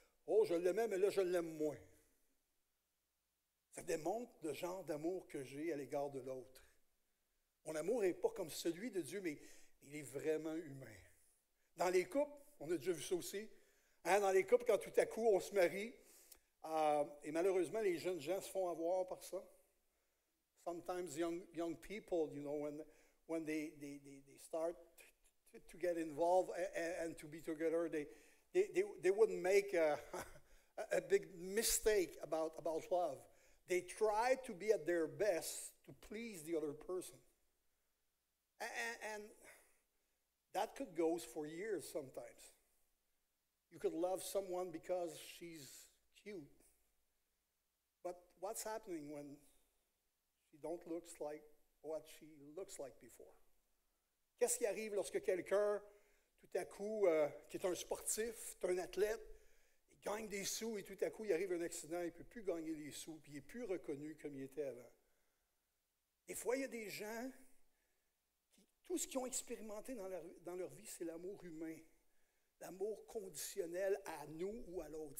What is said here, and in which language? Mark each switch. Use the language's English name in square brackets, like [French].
[French] Oh, je l'aimais, mais là, je l'aime moins. Ça démontre le genre d'amour que j'ai à l'égard de l'autre. Mon amour n'est pas comme celui de Dieu, mais il est vraiment humain. Dans les couples, on a déjà vu ça aussi. Hein? Dans les couples, quand tout à coup, on se marie, et malheureusement, les jeunes gens se font avoir par ça. [English] Sometimes young people, you know, when they start to get involved and to be together, they wouldn't make a big mistake about love. They try to be at their best to please the other person. And that could go for years sometimes. You could love someone because she's cute. But what's happening when she don't look like what she looks like before? [French] Qu'est-ce qui arrive lorsque quelqu'un, tout à coup, qui est un sportif, est un athlète, il gagne des sous et tout à coup, il arrive un accident, il ne peut plus gagner les sous, puis il n'est plus reconnu comme il était avant. Des fois, il y a des gens qui, tout ce qu'ils ont expérimenté dans leur vie, c'est l'amour humain, l'amour conditionnel à nous ou à l'autre.